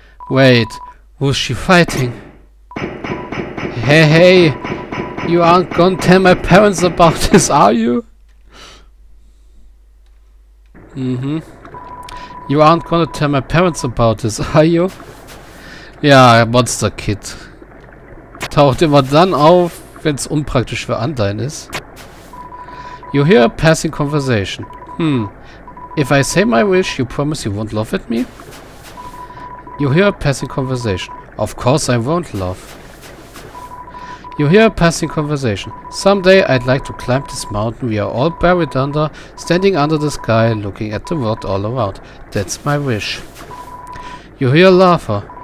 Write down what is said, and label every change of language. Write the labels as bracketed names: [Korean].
[English] Wait, who's she fighting? Hey, hey, you aren't gonna tell my parents about this, are you? Mm-hmm. You aren't gonna tell my parents about this, are you? [German] Ja, Monster Kid. Taucht immer dann auf, wenn's unpraktisch für Undyne ist. [English] You hear a passing conversation. Hmm. If I say my wish, you promise you won't laugh at me? You hear a passing conversation. Of course I won't laugh. You hear a passing conversation. Someday I'd like to climb this mountain we are all buried under, standing under the sky, looking at the world all around. That's my wish. You hear a laugher.